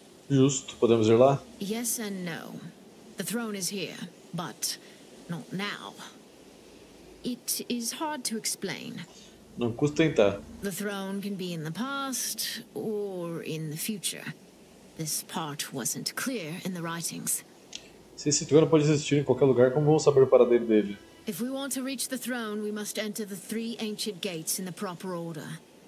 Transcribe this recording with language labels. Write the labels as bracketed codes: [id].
[pt] Justo, podemos ir lá? [en] Yes and no. The throne is here, but not now. It is hard to explain. [pt] Não custa tentar. [en] The throne can be in the past or in the future. This part wasn't clear in the writings. [pt] Se esse trono pode existir em qualquer lugar, como vamos saber o paradeiro dele? [en] If we want to reach the throne, we must enter the three ancient gates in the proper order.